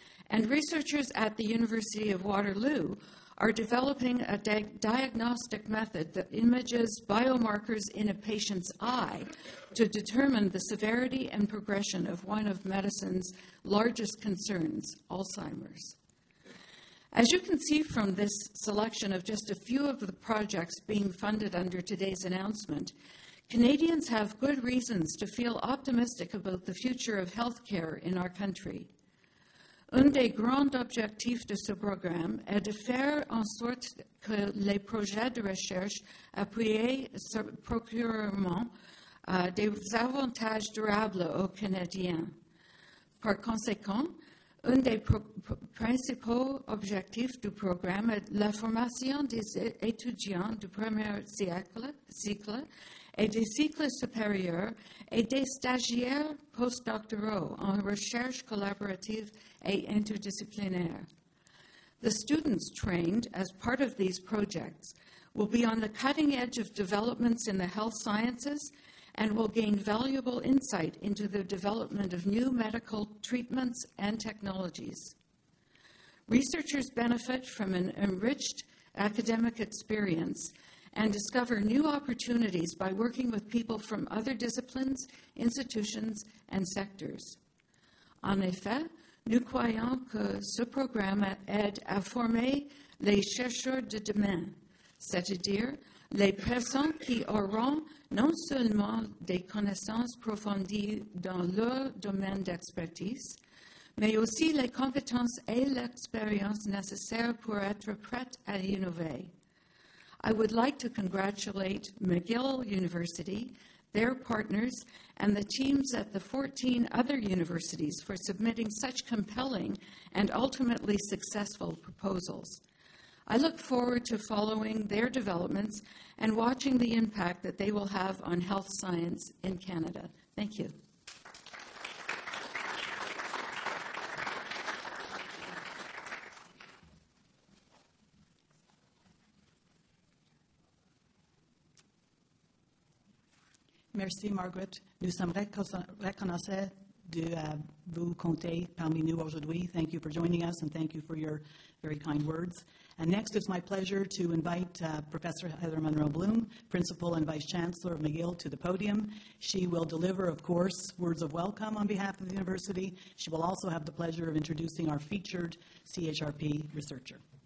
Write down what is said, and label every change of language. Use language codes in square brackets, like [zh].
[en] And researchers at the University of Waterloo are developing a diagnostic method that images biomarkers in a patient's eye to determine the severity and progression of one of medicine's largest concerns, Alzheimer's. As you can see from this selection of just a few of the projects being funded under today's announcement, Canadians have good reasons to feel optimistic about the future of healthcare in our country. [fr] Un des grands objectifs de ce programme est de faire en sorte que les projets de recherche appuyés procurent des avantages durables aux Canadiens. Par conséquent, un des principaux objectifs du programme est la formation des étudiants du premier cycle et des cycles supérieurs et des stagiaires postdoctoraux en recherche collaborative et interdisciplinaire. [en] The students trained as part of these projects will be on the cutting edge of developments in the health sciences and will gain valuable insight into the development of new medical treatments and technologies. Researchers benefit from an enriched academic experience and discover new opportunities by working with people from other disciplines, institutions, and sectors. [fr] En effet, nous croyons que ce programme aide à former les chercheurs de demain, c'est-à-dire les personnes qui auront non seulement des connaissances approfondies dans leur domaine d'expertise, mais aussi les compétences et l'expérience nécessaires pour être prêtes à innover. [en] I would like to congratulate McGill University, their partners, and the teams at the 14 other universities for submitting such compelling and ultimately successful proposals. I look forward to following their developments and watching the impact that they will have on health science in Canada. Thank you. [fr] Merci, Margaret. Nous sommes reconnaissants de vous compter parmi nous aujourd'hui. [en] Thank you for joining us, and thank you for your very kind words. And next, it's my pleasure to invite Professor Heather Monroe-Bloom, Principal and Vice Chancellor of McGill, to the podium. She will deliver, of course, words of welcome on behalf of the university. She will also have the pleasure of introducing our featured CHRP researcher.